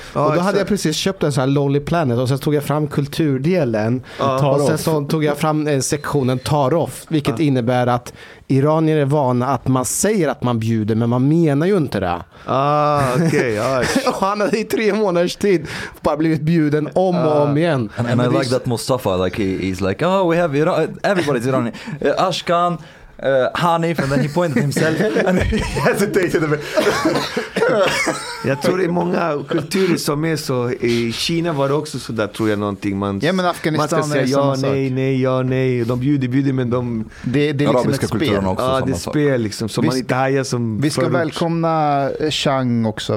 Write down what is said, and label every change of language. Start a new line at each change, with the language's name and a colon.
Swedish: Och då hade jag precis köpt en sån här Lonely Planet. Och sen tog jag fram kulturdelen. Och sen så tog jag fram sektionen Tarof. Vilket innebär att iranier är vana att man säger att man bjuder, men man menar ju inte det.
English: Okay.
Swedish: Han hade i tre månaders tid bara blivit bjuden om och om igen.
English: And I like that Mustafa, like he's like, oh, we have Iran, everybody's Iranian. Ashkan, Hanif, and then he pointed himself and he hesitated a bit.
Swedish: Jag tror det är många kulturer som är så. I Kina var det också så där, tror jag, någonting. Man, ja, men Afghanistan, man ska säga ja, nej. De bjuder, men de... Det är liksom arabiska kulturen också. Ja, det är spel liksom. Som man inte hajar som... Vi ska välkomna Chang också.